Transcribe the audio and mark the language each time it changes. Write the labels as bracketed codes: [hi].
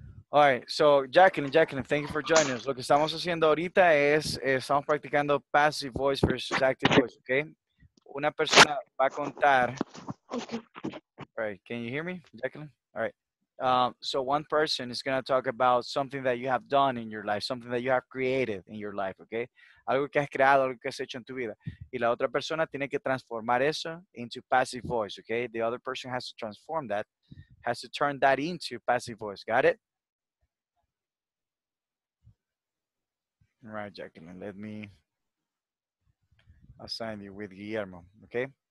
[en] All right, so Jacqueline, thank you for joining us. [es] Lo que estamos haciendo ahorita es, estamos practicando [en] passive voice versus active voice, okay? [es] Una persona va a contar. [en] Okay. All right, can you hear me, Jacqueline? All right, so one person is gonna talk about something that you have done in your life, something that you have created in your life, okay? [es] Algo que has creado, algo que has hecho en tu vida. Y la otra persona tiene que transformar eso [en] into passive voice, [es] okay? [en] The other person has to transform that, has to turn that into passive voice, got it? Right, Jacqueline, let me assign you with Guillermo, okay?